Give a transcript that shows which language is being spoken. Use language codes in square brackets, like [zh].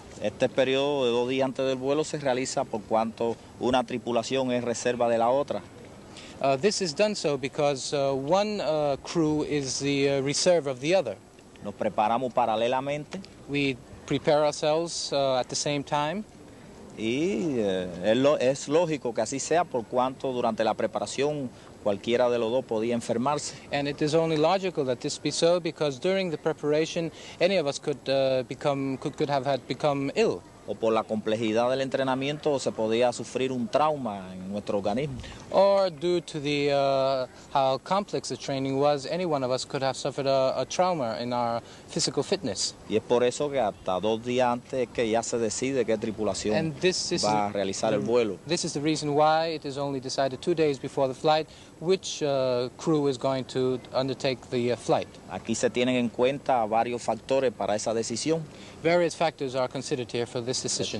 [es] Este periodo de dos días antes del vuelo se realiza por cuanto una tripulación es reserva de la otra. [en] This is done so because one crew is the reserve of the other. [es] Nos preparamos paralelamente. [en] We prepare ourselves at the same time. [es] Y es lógico que así sea por cuanto durante la preparación cualquiera de los dos podía enfermarse. [en] And it is only logical that this be so because during the preparation any of us could have become ill. [es] O por la complejidad del entrenamiento se podía sufrir un trauma en nuestro organismo. [en] Or due to the how complex the training was, any one of us could have suffered a trauma in our physical fitness. [es] Y es por eso que hasta dos días antes es que ya se decide qué tripulación va a realizar el vuelo. [en] This is the reason why it is only decided 2 days before the flight which crew is going to undertake the flight. [es] Aquí se tienen en cuenta varios factores para esa decisión. [en] Various factors are considered here for this decision.